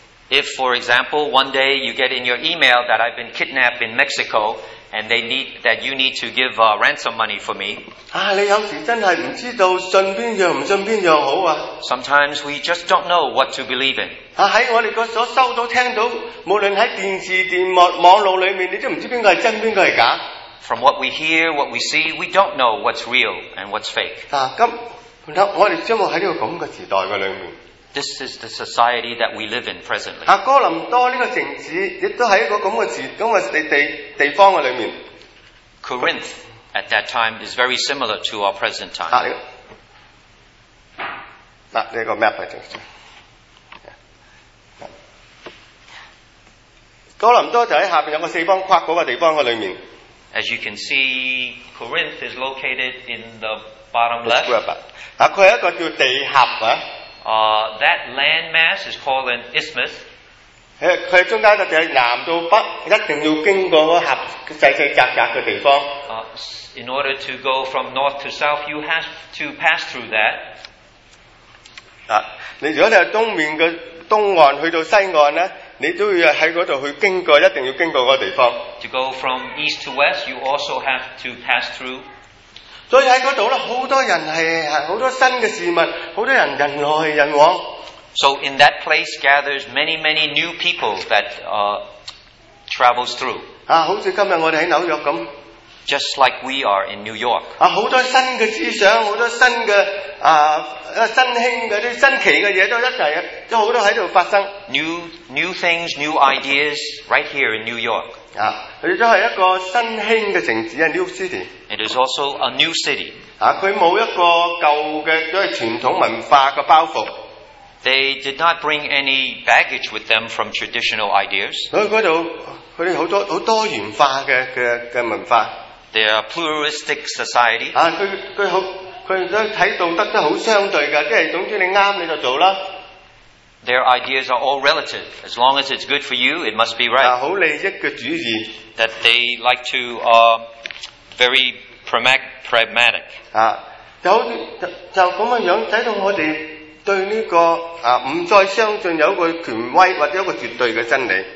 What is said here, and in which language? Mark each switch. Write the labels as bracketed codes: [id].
[en] If, for example, one day you get in your email that I've been kidnapped in Mexico and that you need to give ransom money for me. [yue] 你有时真系唔知道信边样唔信边样好啊。 [en] Sometimes we just don't know what to believe in. [yue] 喺我哋所收到、听到，无论喺电视、电网络里面，你都唔知边个系真、边个系假。 [en] From what we hear, what we see, we don't know what's real and what's fake. [yue] 我哋生活喺呢个咁嘅时代嘅里面。 [en] This is the society that we live in presently. [yue] 哥林多呢个城市亦都喺一个咁嘅地方嘅里面。 [en] Corinth at that time is very similar to our present time. [yue] 呢个 map 嚟嘅。哥林多就喺下边有个四方框嗰个地方嘅里面。 [en] As you can see, Corinth is located in the bottom left. [yue] 佢系一个叫地峡啊。 [en] That land mass is called an isthmus. [yue] 它中间就是南到北，一定要经过个狭细细窄窄嘅地方。 [en] In order to go from north to south, you have to pass through that. [yue] 你如果你系东面嘅东岸去到西岸咧，你都要喺嗰度去经过，一定要经过个地方。 [en] To go from east to west, you also have to pass through. [yue] 所以喺嗰度咧，好多人系好多新嘅事物，好多人人来人往。 [en] So in that place gathers many many new people that travels through。 [yue] 好似今日我哋喺纽约咁。 [en] Just like we are in New York。 [yue] 好多新嘅思想，好多新嘅新兴嗰啲新奇嘅嘢都一齐，都好多喺度发生。 [en] New things, new ideas, right here in New York。 [yue] 佢都系一个新兴嘅城市啊 ， [en] New City。 It is also a new city. [yue] 佢冇一个旧嘅，即系传统文化嘅包袱。 [en] They did not bring any baggage with them from traditional ideas. [yue] 所以嗰度佢哋好多元化嘅文化。 [en] They are pluralistic society. [yue] 佢睇道德都好相对嘅，即系总之你啱你就做啦。 [en] Their ideas are all relative. As long as it's good for you, it must be right. [yue] 好利益嘅主义。 [en] That they like to very pragmatic. [yue] 就咁嘅样，睇到我哋对呢、这个唔再相信有一个权威或者一个绝对嘅真理。